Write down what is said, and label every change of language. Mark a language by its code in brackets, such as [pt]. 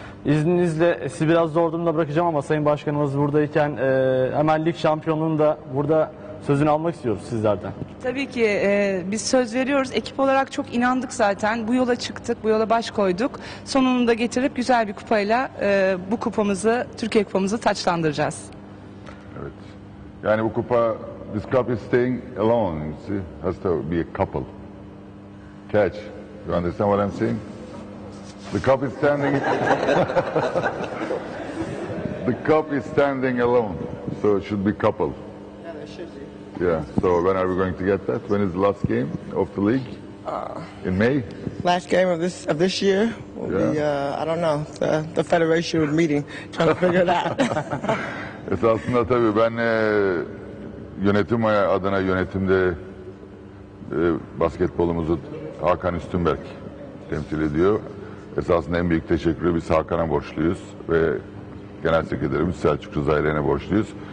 [tr] İzninizle sizi biraz zor durumda bırakacağım ama Sayın Başkanımız buradayken hemen lig şampiyonluğunu da burada sözünü almak istiyoruz sizlerden. Tabii ki biz söz veriyoruz. Ekip olarak çok inandık zaten. Bu yola çıktık, bu yola baş koyduk. Sonunda getirip güzel bir kupayla bu kupamızı, Türkiye kupamızı taçlandıracağız. Evet. [en] Yani bu kupa, this cup is staying alone. You see, has to be a couple. Catch. You understand what I'm saying? The cup is standing... The cup is standing alone. So it should be couple. Yeah, so when are we going to get that? When is the last game of the league? In May? Last game of this year will be, I don't know, the federation meeting, trying to figure it out. [tr] Esasında tabii ben yönetim adına yönetimde basketbolumuzu Hakan Üstünberk temsil ediyor. Esasında en büyük teşekkürü biz Hakan'a borçluyuz ve genel sekreterimiz Selçuk Rızaylı'na borçluyuz.